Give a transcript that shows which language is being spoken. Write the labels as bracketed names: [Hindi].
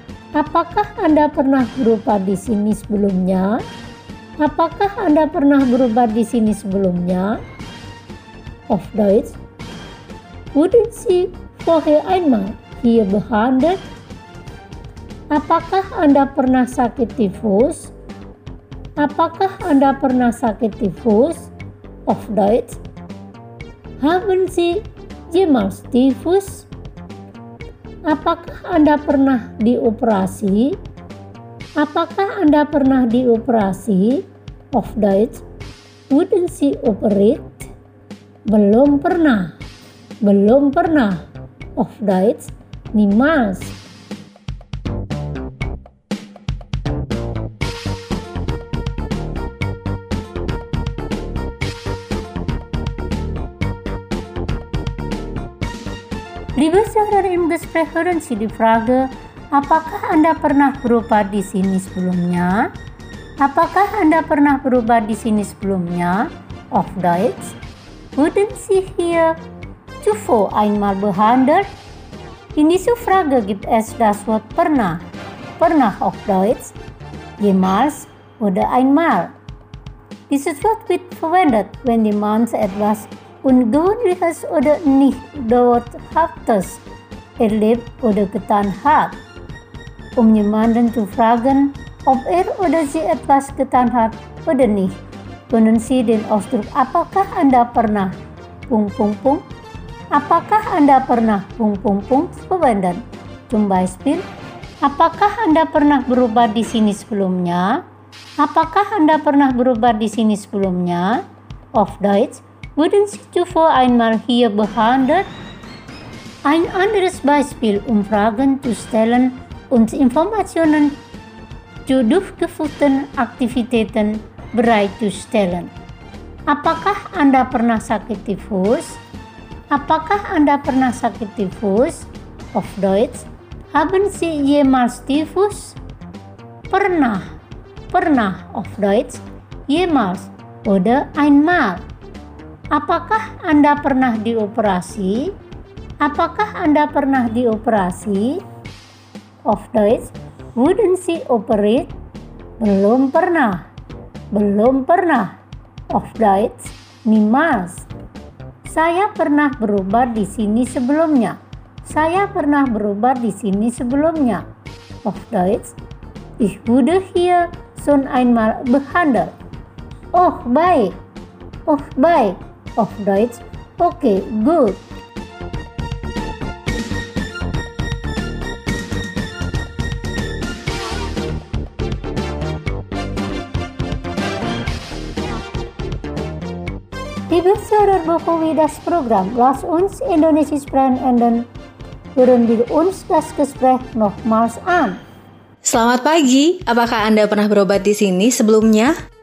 [Indonesian] Apakah Anda pernah berobat di sini sebelumnya? Apakah Anda pernah berobat di sini sebelumnya? [German] Auf Deutsch. Wurden Sie vorher einmal hier behandelt? [Indonesian] Apakah Anda pernah sakit tifus? Apakah Anda pernah sakit tifus? [German] Auf Deutsch. Haben Sie jemals tifus? [Indonesian] Apakah Anda pernah dioperasi? Apakah Anda pernah dioperasi? [German] Auf Deutsch. Wurden Sie operiert? [Indonesian] Belum pernah. Belum pernah. [German] Auf Deutsch. Niemals. Liebe Zuhörer, im Gespräch hören Sie die Frage, [Indonesian] apakah Anda pernah berobat di sini sebelumnya? Apakah Anda pernah berobat di sini sebelumnya? [German] Auf Deutsch. Wurden Sie hier zuvor einmal behandelt? In dieser Frage gibt es das Wort pernah. Pernah auf Deutsch. Jemals oder einmal. Dieses Wort wird verwendet, wenn jemand etwas ungewöhnliches oder nicht dauerhaftes erlebt oder getan hat. Um jemanden zu fragen, ob er oder sie etwas getan hat oder nicht, können Sie den Ausdruck [Indonesian] apakah Anda pernah ... apakah Anda pernah ... [German] verwenden. Zum Beispiel, [Indonesian] apakah Anda pernah berobat di sini sebelumnya? Apakah Anda pernah berobat di sini sebelumnya? [German] Auf Deutsch. Wurden Sie zuvor einmal hier behandelt? Ein anderes Beispiel, um Fragen zu stellen und Informationen zu durchgeführten Aktivitäten bereitzustellen. [Indonesian] Apakah Anda pernah sakit tifus? Apakah Anda pernah sakit tifus? [German] Auf Deutsch. Haben Sie jemals tifus? [Indonesian] Pernah. Pernah. [German] Auf Deutsch. Jemals. Oder einmal. [Indonesian] Apakah Anda pernah dioperasi? Apakah Anda pernah dioperasi? [German] Auf Deutsch. Wurden Sie operiert? [Indonesian] Belum pernah. Belum pernah. [German] Auf Deutsch. Niemals. [Indonesian] Saya pernah berobat di sini sebelumnya. Saya pernah berobat di sini sebelumnya. [German] Auf Deutsch. Ich wurde hier schon einmal behandelt. [Indonesian] Oh, baik. Oh, baik. [German] Auf Deutsch. [English] Okay, good. [German] Liebe Zuhörer, bevor wir das Programm Lass uns Indonesisch sprechen enden, hören wir uns das Gespräch nochmals an. [Indonesian] Selamat pagi, apakah Anda pernah berobat di sini sebelumnya?